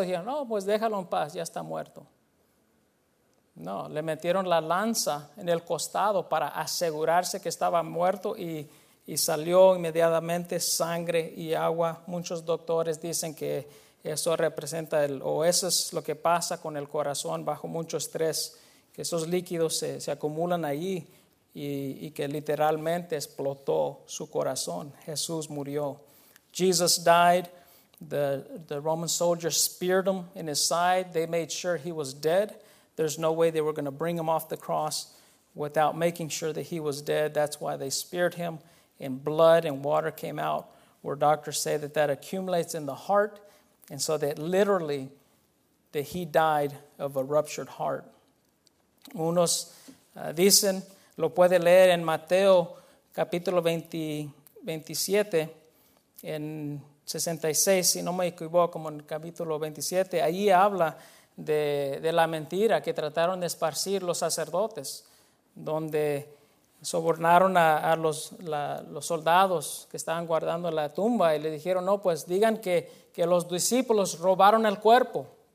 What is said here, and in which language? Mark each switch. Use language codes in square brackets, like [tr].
[es] Dijeron: no, pues déjalo en paz, ya está muerto. No, le metieron la lanza en el costado para asegurarse que estaba muerto, y salió inmediatamente sangre y agua. Muchos doctores dicen que eso representa eso es lo que pasa con el corazón bajo mucho estrés, que esos líquidos se acumulan ahí y que literalmente explotó su corazón. Jesús murió. [en] Jesus died. The Roman soldiers speared him in his side. They made sure he was dead. There's no way they were going to bring him off the cross without making sure that he was dead. That's why they speared him, and blood and water came out, where doctors say that accumulates in the heart. And so that literally, that he died of a ruptured heart. [es] Unos dicen, lo puede leer en Mateo capítulo 27, en 66, si no me equivoco, como en el capítulo 27, allí habla de la mentira que trataron de esparcir los sacerdotes, donde sobornaron a los soldados que estaban guardando la tumba y le dijeron, no, pues digan que los discípulos robaron el cuerpo.